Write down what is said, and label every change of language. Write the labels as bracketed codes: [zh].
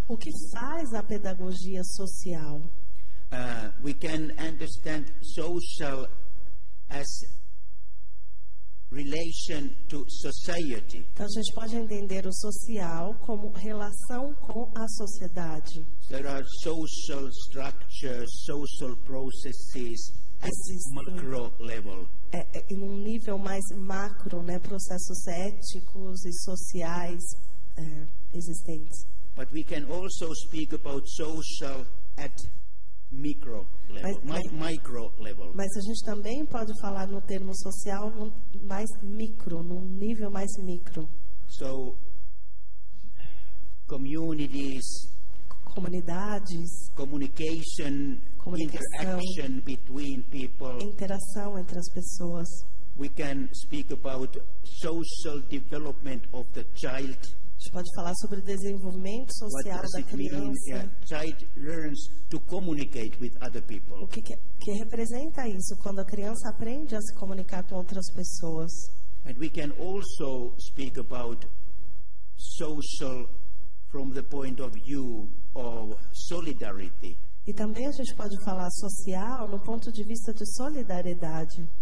[pt] O que faz a pedagogia social? [en] We can understand social as relation to society. [pt] Então a gente pode entender o social como relação com a sociedade. [en] There are social structures, social processes at macro level. [pt] Em um nível nível mais macro, né, processos éticos e sociais existentes. [en] But we can also speak about social at micro level, micro level. [pt] Mas a gente também pode falar no termo social mais micro, num nível mais micro. [en] So communities, [pt] comunidades, [en] communication, interaction between people, [pt] interação entre as pessoas. [en] We can speak about social development of the child. [pt] A gente pode falar sobre desenvolvimento social da criança. [en] Child learns to communicate with other people. [pt] O que representa isso quando a criança aprende a se comunicar com outras pessoas? [en] And we can also speak about social from the point of view of solidarity. [pt] E também a gente pode falar social no ponto de vista de solidariedade.